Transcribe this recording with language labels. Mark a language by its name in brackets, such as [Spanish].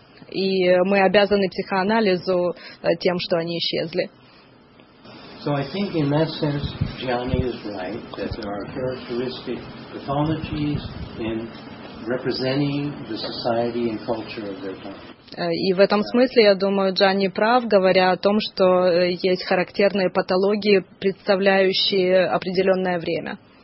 [Russian] И мы обязаны психоанализу тем, что они исчезли. [English] So I think in that sense Gianni is right that there are characteristic pathologies in representing the society and culture of their time. [Russian] И в этом смысле, я думаю, Джанни прав, говоря о том, что есть характерные патологии, представляющие определенное время.